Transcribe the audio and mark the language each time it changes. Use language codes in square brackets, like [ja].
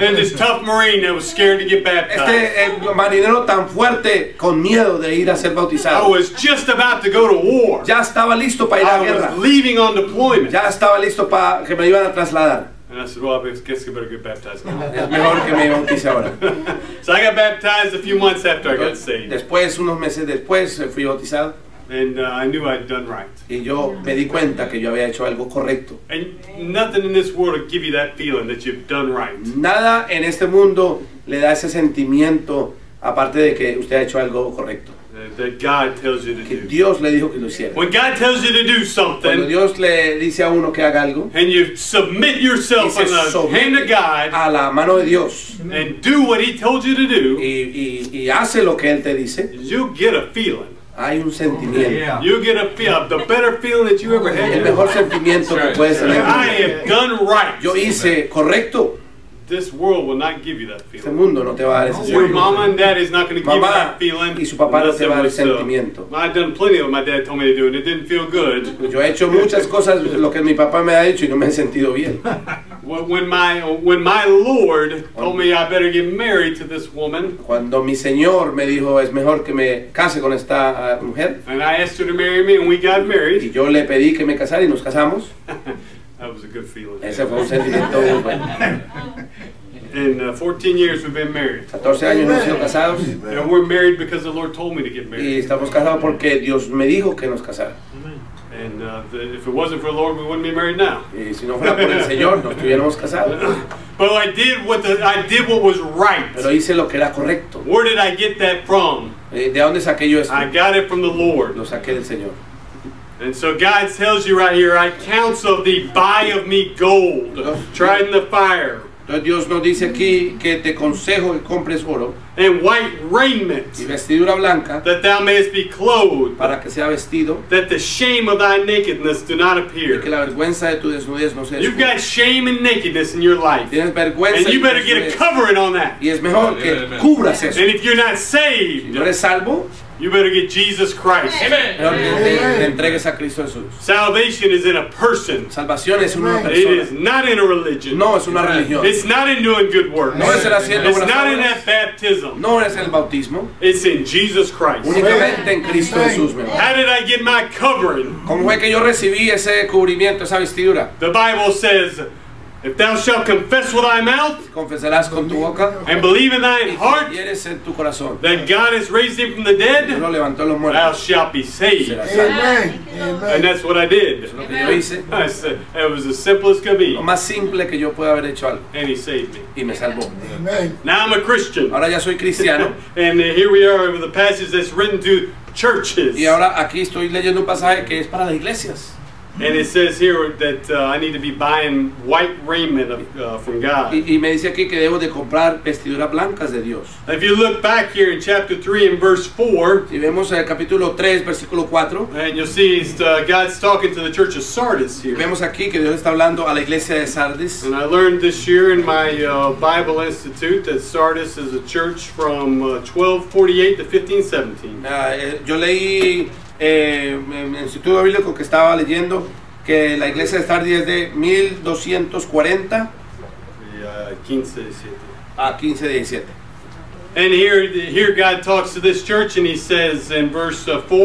[en] And this tough Marine that was scared to get baptized. [es] Este marinero tan fuerte con miedo de ir a ser bautizado. [en] I was just about to go to war. [es] Ya estaba listo para ir a guerra. [en] I was leaving on deployment. [es] Ya estaba listo para que me iban a trasladar. [en] And I said, well, I guess you better get baptized now. [es] Es mejor que me bautice ahora. [en] So I got baptized a few months after I got saved. [es] Después, unos meses después, fui bautizado. [en] And I knew I'd done right. [es] Y yo me di cuenta que yo había hecho algo correcto. [en] And nothing in this world will give you that feeling that you've done right. [es] Nada en este mundo le da ese sentimiento aparte de que usted ha hecho algo correcto. [en] That God tells you to [es] que [en] do. [es] Dios le dijo que lo hiciera. [en] When God tells you to do something, [es] cuando Dios le dice a uno que haga algo, [en] and you submit yourself in the hand of God, [es] a la mano de Dios, [en] and do what He told you to do, [es] y hace lo que Él te dice, [en] you get a feeling. [es] Hay un sentimiento. Oh, [en] yeah. You get a feeling, the better feeling that you ever had. [es] El mejor sentimiento que puedes tener. [en] I have done right. [es] Yo hice correcto. [en] This world will not give you that feeling. [es] Este mundo no te va a dar ese sentimiento. [en] Your mama and daddy is not going to give you that feeling. [es] Y su papá no te va a dar ese sentimiento. [en] I've done plenty of what my dad told me to do, and it didn't feel good. [es] Yo he hecho muchas cosas lo que mi papá me ha hecho y no me he sentido bien. [en] When my Lord told me I better get married to this woman. [es] Cuando mi señor me dijo es mejor que me case con esta mujer. [en] And I asked her to marry me, and we got married. [es] Y yo le pedí que me casara y nos casamos. [en] That was a good feeling. [es] Ese fue un sentimiento muy bueno. [en] In 14 years we've been married. [es] 14 años hemos sido casados. [en] And we're married because the Lord told me to get married. [es] Y estamos casados porque Dios me dijo que nos casara. [en] And if it wasn't for the Lord, we wouldn't be married now. [es] Y si no fuera por el Señor, no estuviéramos casados. [en] But I did what was right. [es] Pero hice lo que era correcto. [en] Where did I get that from? [es] ¿De dónde saqué yo eso? [en] I got it from the Lord. [es] Lo saqué del Señor. [en] And so God tells you right here, I counsel thee, buy of me gold, tried in the fire. [es] Entonces Dios nos dice aquí que te consejo que compres oro. [en] and white raiment, [es] y vestidura blanca, [en] that thou mayest be clothed, [es] para que sea vestido, [en] that the shame of thy nakedness do not appear. [es] Y que la vergüenza de tu desnudez no sea. [en] You've got shame and nakedness in your life. [es] Tienes vergüenza, [en] and you better get a covering on that. [es] Y es mejor que cubras eso. [en] And if you're not saved, [es] si no eres salvo, [en] you better get Jesus Christ. Amen. [es] Amen. [en] Salvation is in a person. [es] Salvación es una persona. [en] It is not in a religion. [es] No, es una religión. [en] It's not in doing good works. [es] No es el haciendo buenas [en] obras. It's not in that baptism. [es] No es el bautismo. [en] It's in Jesus Christ. [es] Únicamente en Cristo Jesús. [en] How did I get my covering? [es] ¿Cómo fue que yo recibí ese cubrimiento, esa vestidura? [en] The Bible says, if thou shalt confess with thy mouth, [es] confesarás con tu boca, [en] and believe in thine heart, [es] y eres en tu corazón, [en] that God has raised him from the dead, [es] y lo levantó los muertos, [en] thou shalt be saved. [es] Amen. Amen. [en] And that's what I did. [es] Eso es lo que yo hice. [en] I said, it was the simplest could be. [es] Lo más simple que yo pueda haber hecho algo. [en] And he saved me. [es] Y me salvó. [en] Amen. Now I'm a Christian. [es] Ahora ya soy cristiano. [en] And here we are with a passage that's written to churches. [es] Y ahora aquí estoy leyendo un pasaje que es para las iglesias. [en] And it says here that I need to be buying white raiment of, from God. [es] Y me dice aquí que debo de comprar vestiduras blancas de Dios. [en] If you look back here in chapter 3 and verse 4, [es] si vemos el capítulo 3, versículo 4, [en] and you'll see it's, God's talking to the church of Sardis here. [es] Vemos aquí que Dios está hablando a la iglesia de Sardis. [en] And I learned this year in my Bible Institute that Sardis is a church from 1248 to 1517. [es] Yo leí en el Instituto Bíblico que estaba leyendo que la iglesia de Sardis es de 1240 [en] a 1517. And here God talks to this church and he says in verse 4,